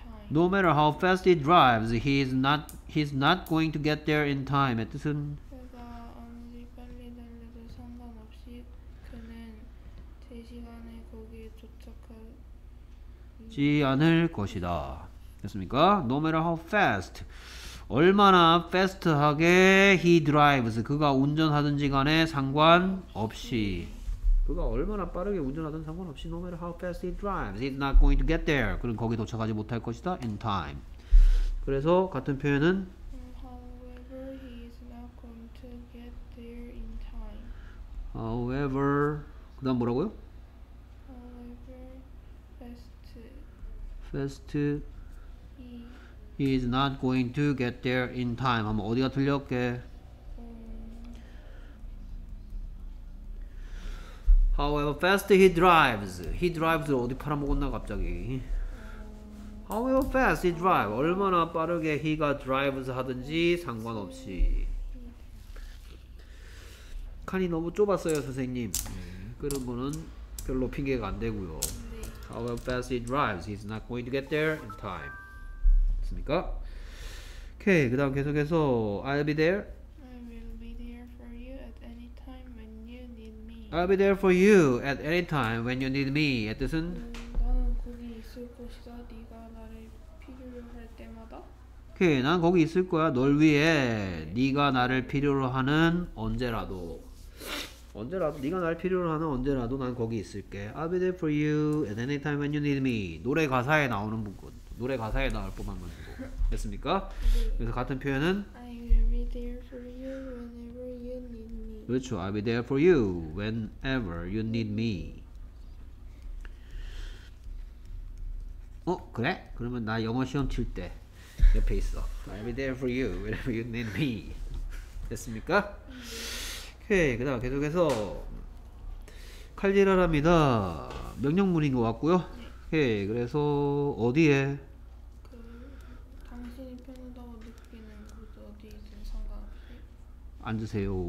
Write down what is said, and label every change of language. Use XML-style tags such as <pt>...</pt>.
<en>No matter how fast he drives, he is not going to get there in time. No matter how fast he drives, he's not going to get there in time.</en> <ko>뜻은 그가 아무리 빨리 달려도 상관없이 그는 제시간에 거기에 도착하지 않을 것이다. 됐습니까?</ko> <en>No matter how fast.</en> <ko>얼마나</ko> <en>fast하게 he drives.</en> <ko>그가 운전하든지 간에 상관없이. 그가 얼마나 빠르게 운전하든 상관없이</ko> <en>no matter how fast he drives. He's not going to get there.</en> <ko>그럼 거기 도착하지 못할 것이다.</ko> <en>In time.</en> <ko>그래서 같은 표현은</ko> <en>However, he is not going to get there in time.</en> <ko>However, 그 다음 뭐라고요?</ko> <en>However, fast. He is not going to get there in time.</en> <ko>한번 어디가 틀렸게?</ko> <en>However fast he drives. He drives</en> <ko>어디 팔아먹었나 갑자기?</ko> <en>However fast he drives.</en> <ko>얼마나 빠르게</ko> <en>he가 drives</en> <ko>하든지 상관없이. 칸이 너무 좁았어요 선생님. 그런 거는 별로 핑계가 안 되고요.</ko> <en>However fast he drives. He is not going to get there in time.</en> <ko>오케이. 그다음 계속해서</ko> <en>I'll be there. I will be there for you at any time when you need me. I'll be there for you at any time when you need me.</en> <ko>이 뜻은 나는 거기 있을 것이다. 네가 나를 필요로 할 때마다. 오케이. 난 거기 있을 거야. 널 위해 네가 나를 필요로 하는 언제라도. 언제라도 네가 나를 필요로 하는 언제라도 난 거기 있을게.</ko> <en>I'll be there for you at any time when you need me.</en> <ko>노래 가사에 나오는 부분. 노래 가사에 나올 뻔한 건 됐습니까? 네. 그래서 같은 표현은</ko> <en>I will be there for you whenever you need me.</en> <ko>그렇죠.</ko> <en>I'll be there for you whenever you need me.</en> <ko>어? 그래? 그러면 나 영어 시험 칠 때 옆에 있어.</ko> <en>I'll be there for you whenever you need me.</en> <ko>됐습니까? 네. 오케이. 그 다음 계속해서 칼질하랍니다. 명령문인 것 같고요. 오케이. 그래서 어디에? 그 당신이 편하다고 느끼는 곳 어디든 상관없이 앉으세요.</ko>